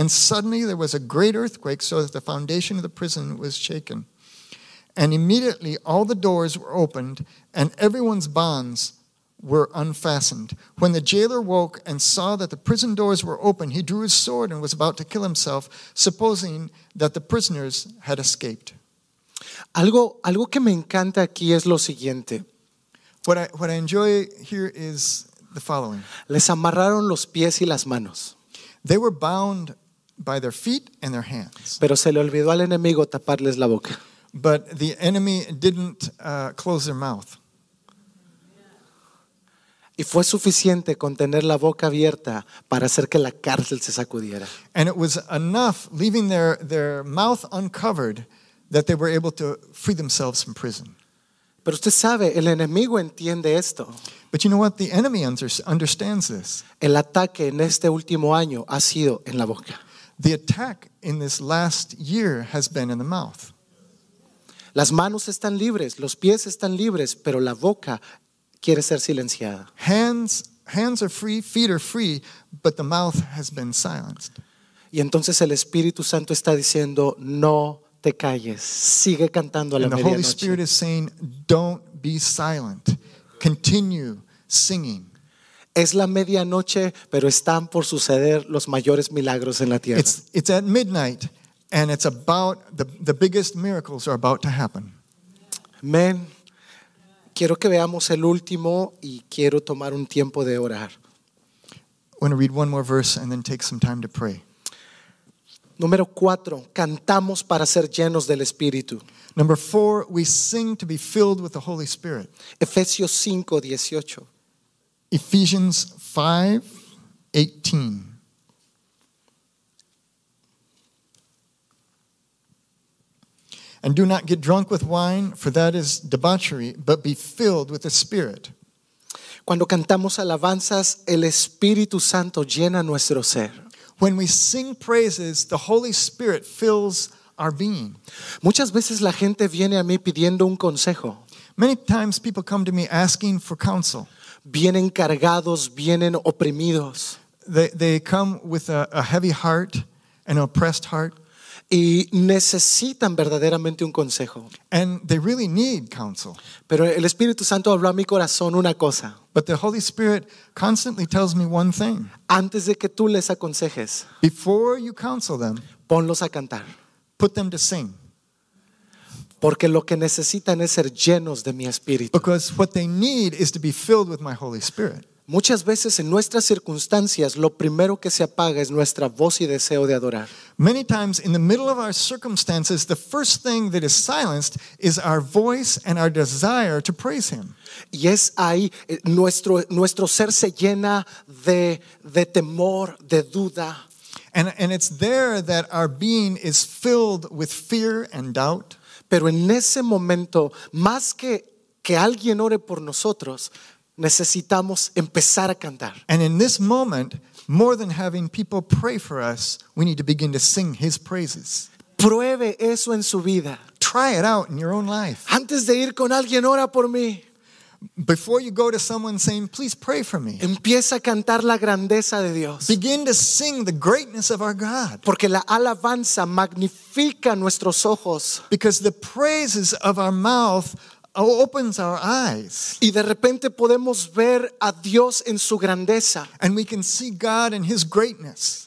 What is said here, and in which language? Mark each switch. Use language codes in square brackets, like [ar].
[en] And suddenly there was a great earthquake so that the foundation of the prison was shaken. And immediately all the doors were opened and everyone's bonds were unfastened. When the jailer woke and saw that the prison doors were open, he drew his sword and was about to kill himself, supposing that the prisoners had escaped. [es] Algo que me encanta aquí es lo siguiente. [en] What I enjoy here is the following. [es] Les amarraron los pies y las manos. [en] They were bound by their feet and their hands. [es] Pero se le olvidó al enemigo taparles la boca. [en] But the enemy didn't close their mouth. [es] Y fue suficiente con tener la boca abierta para hacer que la cárcel se sacudiera. [en] And it was enough leaving their mouth uncovered that they were able to free themselves from prison. [es] Pero usted sabe, el enemigo entiende esto. [en] But you know what? The enemy understands this. [es] El ataque en este último año ha sido en la boca. [en] The attack in this last year has been in the mouth. [es] Las manos están libres, los pies están libres, pero la boca quiere ser silenciada. [en] Hands are free, feet are free, but the mouth has been silenced. [es] Y entonces el Espíritu Santo está diciendo, no te calles, sigue cantando a la medianoche. [en] And the Holy Spirit is saying, don't be silent, continue singing. [es] Es la medianoche, pero están por suceder los mayores milagros en la tierra. [en] It's at midnight. And it's about the biggest miracles are about to happen. Amen. [es] Quiero que veamos el último y quiero tomar un tiempo de orar. [en] I want to read one more verse and then take some time to pray. [es] Número cuatro, cantamos para ser llenos del Espíritu. [en] Number four, we sing to be filled with the Holy Spirit. [es] Efesios 5, 18. [en] Ephesians 5, 18. And do not get drunk with wine, for that is debauchery, but be filled with the Spirit. [es] Cuando cantamos alabanzas, el Espíritu Santo llena nuestro ser. [en] When we sing praises, the Holy Spirit fills our being. [es] Muchas veces la gente viene a mí pidiendo un consejo. [en] Many times people come to me asking for counsel. [es] Vienen cargados, vienen oprimidos. [en] They come with a heavy heart, an oppressed heart. [es] Y necesitan verdaderamente un consejo. [en] And they really need counsel. [es] Pero el Espíritu Santo habló a mi corazón una cosa. [en] But the Holy Spirit constantly tells me one thing. [es] Antes de que tú les aconsejes. [en] Before you counsel them. [es] Ponlos a cantar. [en] Put them to sing. [es] Porque lo que necesitan es ser llenos de mi Espíritu. [en] Because what they need is to be filled with my Holy Spirit. [es] Muchas veces en nuestras circunstancias lo primero que se apaga es nuestra voz y deseo de adorar. [en] Many times in the middle of our circumstances the first thing that is silenced is our voice and our desire to praise him. [es] Y es ahí nuestro ser se llena de temor, de duda. [en] And it's there that our being is filled with fear and doubt. [es] Pero en ese momento más que alguien ore por nosotros necesitamos empezar a cantar. [en] And in this moment, more than having people pray for us, we need to begin to sing his praises. [es] Pruebe eso en su vida. [en] Try it out in your own life. [es] Antes de ir con alguien, ora por mí. [en] Before you go to someone saying, please pray for me. [es] Empieza a cantar la grandeza de Dios. [en] Begin to sing the greatness of our God. [es] Porque la alabanza magnifica nuestros ojos. [en] Because the praises of our mouth opens our eyes. [es] Y de repente podemos ver a Dios en su grandeza. [en] And we can see God in his greatness.